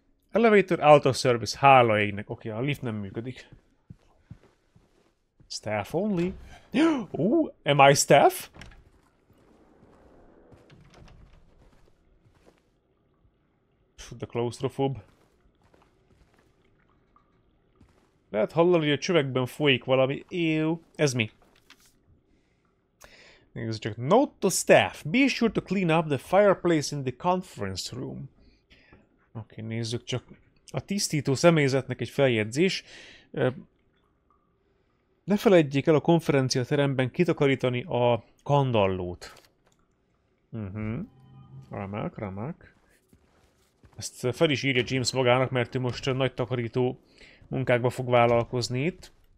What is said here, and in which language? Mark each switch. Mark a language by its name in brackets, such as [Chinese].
[English] Elevator out of service, [Hungarian] hála égnek. Oké, a lift nem működik. [English] Staff only. Am I staff? [Hungarian] De klaustrofób. Lehet hallani, hogy a csövekben folyik valami. Ew. Ez mi? Ez csak. [English] Note to staff. Be sure to clean up the fireplace in the conference room. [Hungarian] Oké, nézzük csak. A tisztító személyzetnek egy feljegyzés. Ne feledjék el a konferencia teremben kitakarítani a kandallót. Remek. Ezt fel is írja James magának, mert ő most nagy takarító munkákba fog vállalkozni itt.